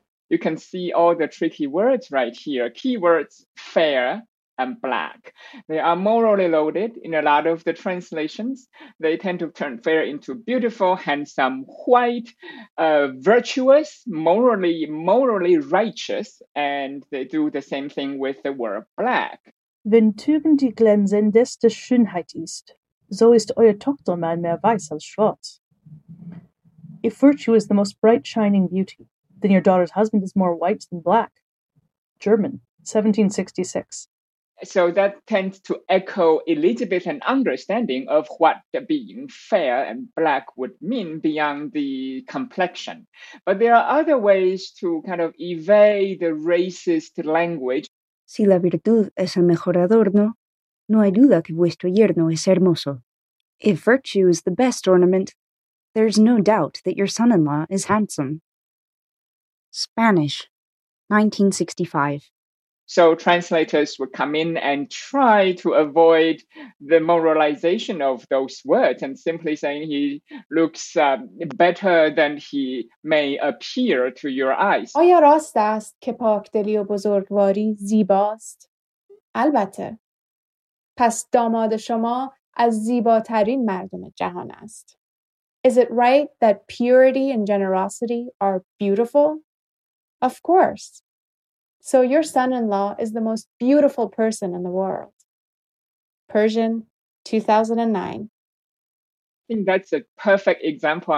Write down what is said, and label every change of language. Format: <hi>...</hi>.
<en>You can see all the tricky words right here. Keywords, fair and black. They are morally loaded in a lot of the translations. They tend to turn fair into beautiful, handsome, white, virtuous, morally righteous, and they do the same thing with the word black.</en> <de>Wenn Tugend die glänzendeste Schönheit ist, so ist euer Tochtermann mehr weiß als schwarz.</de> <en>If virtue is the most bright shining beauty, then your daughter's husband is more white than black. German, 1766. So that tends to echo Elizabethan understanding of what being fair and black would mean beyond the complexion. But there are other ways to kind of evade the racist language.</en> <es>Si la virtud es el mejor adorno, no hay duda que vuestro yerno es hermoso.</es> <en>If virtue is the best ornament, there's no doubt that your son-in-law is handsome. Spanish, 1965. So translators would come in and try to avoid the moralization of those words and simply saying he looks better than he may appear to your eyes.</en> <fa>آیا راست است که پاکدلی و بزرگواری زیباست؟ البته. پس داماد شما از زیباترین مردم جهان است.</fa> <en>Is it right that purity and generosity are beautiful? Of course. So your son-in-law is the most beautiful person in the world. Persian, 2009. I think that's a perfect example.</en>